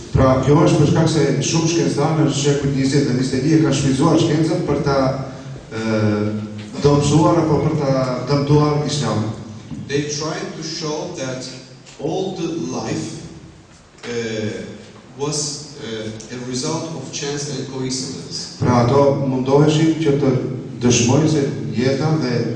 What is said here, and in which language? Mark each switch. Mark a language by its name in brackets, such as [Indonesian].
[Albanian] Pra, kjo është për shkak se shumë shkencëtarë në shekullin 20 dhe 21 kanë shfrytzuar shkencën për ta dëmtuar apo për ta dëmtuar Islamin. [English] They tried to show that all the life was a result of chance and coincidence. [Albanian] Pra, ato mundoheshin që të dëshmojnë se jeta dhe